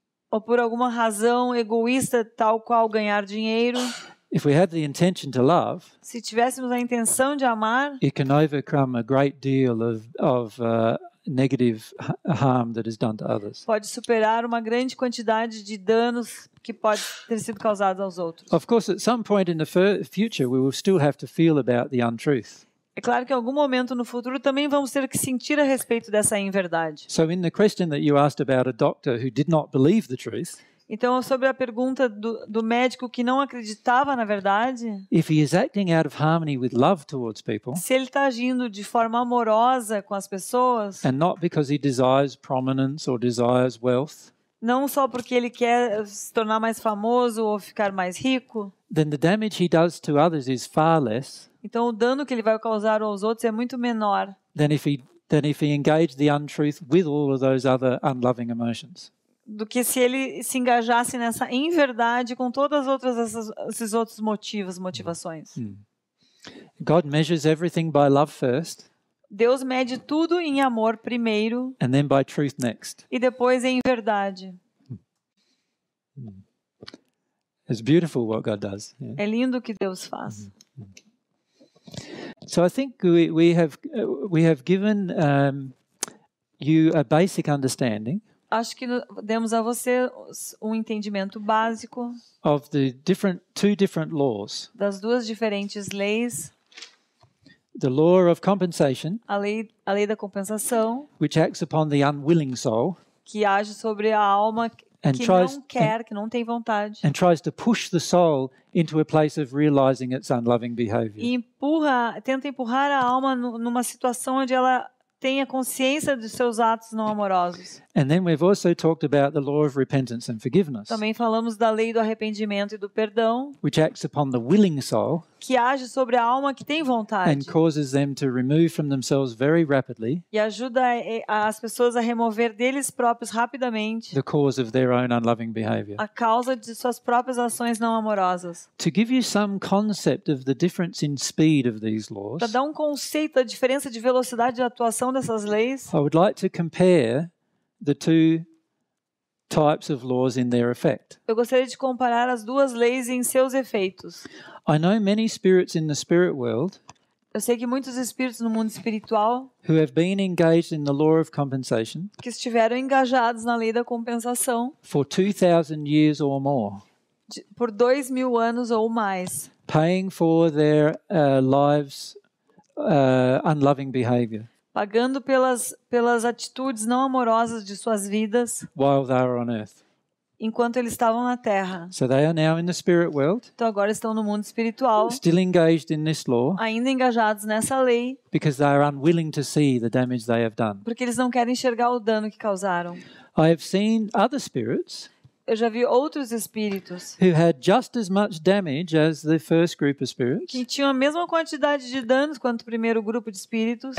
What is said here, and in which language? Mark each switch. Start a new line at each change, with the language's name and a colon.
Portuguese: ou por alguma razão egoísta, tal qual ganhar dinheiro,
English: if we had the intention to love,
Portuguese: se tivéssemos a intenção de amar,
English: it can overcome a great deal of negative harm that is done to others.
Portuguese: Pode superar uma grande quantidade de danos que pode ter sido causados aos outros.
English: Of course, at some point in the future, we will still have to feel about the untruth.
Portuguese: É claro que em algum momento no futuro também vamos ter que sentir a respeito dessa inverdade.
English: So in the question that you asked about a doctor who did not believe the truth.
Portuguese: Então, sobre a pergunta do médico que não acreditava na verdade,
English: if he is acting out of harmony with love towards people,
Portuguese: se ele está agindo de forma amorosa com as pessoas,
English: and not because he desires prominence or desires wealth,
Portuguese: não só porque ele quer se tornar mais famoso ou ficar mais rico,
English: then the damage he does to others is far less,
Portuguese: então o dano que ele vai causar aos outros é muito menor
English: than if he engaged the untruth with all of those other unloving emotions.
Portuguese: Do que se ele se engajasse nessa inverdade com todas as outras esses outros motivações.
English: God measures everything by love first.
Portuguese: Deus mede tudo em amor primeiro.
English: And then by truth next.
Portuguese: E depois em verdade.
English: It's beautiful what God does.
Portuguese: É lindo o que Deus faz.
English: So I think we have given you a basic understanding.
Portuguese: Acho que demos a você um entendimento básico
English: of the two different laws.
Portuguese: Das duas diferentes leis.
English: The law of compensation,
Portuguese: a lei da compensação,
English: which acts upon the unwilling soul,
Portuguese: que age sobre a alma que não tem vontade,
English: and tries to push the soul into a place of realizing its unloving behavior.
Portuguese: E tenta empurrar a alma numa situação onde ela tenha consciência dos seus atos não amorosos.
English: And then we've also talked about the law of repentance and forgiveness.
Portuguese: Também falamos da lei do arrependimento e do perdão.
English: Which acts upon the willing soul.
Portuguese: Que age sobre a alma que tem vontade.
English: And causes them to remove from themselves very rapidly.
Portuguese: E ajuda as pessoas a remover deles próprios rapidamente.
English: The cause of their own unloving behavior.
Portuguese: A causa de suas próprias ações não amorosas.
English: To give you some concept of the difference in speed of these laws.
Portuguese: Para dar um conceito da diferença de velocidade de atuação dessas leis.
English: I would like to compare the two types of laws in their effect.
Portuguese: Eu gostaria de comparar as duas leis em seus efeitos.
English: I know many spirits in the spirit world.
Portuguese: Eu sei que muitos espíritos no mundo espiritual
English: who have been engaged in the law of compensation.
Portuguese: Que estiveram engajados na lei da compensação.
English: For 2000 years or more.
Portuguese: Por 2000 anos ou mais.
English: Paying for their lives unloving behavior.
Portuguese: Pagando pelas atitudes não amorosas de suas vidas.
English: While they are on earth.
Portuguese: Enquanto eles estavam na Terra.
English: So they are now in the spirit world.
Portuguese: Então agora estão no mundo espiritual.
English: Still engaged in this law.
Portuguese: Ainda engajados nessa lei.
English: Because they are unwilling to see the damage they have done.
Portuguese: Porque eles não querem enxergar o dano que causaram.
English: I have seen other spirits.
Portuguese: Eu já vi outros espíritos.
English: Who had just as much damage as the first group of spirits.
Portuguese: Que tinham a mesma quantidade de danos quanto o primeiro grupo de espíritos.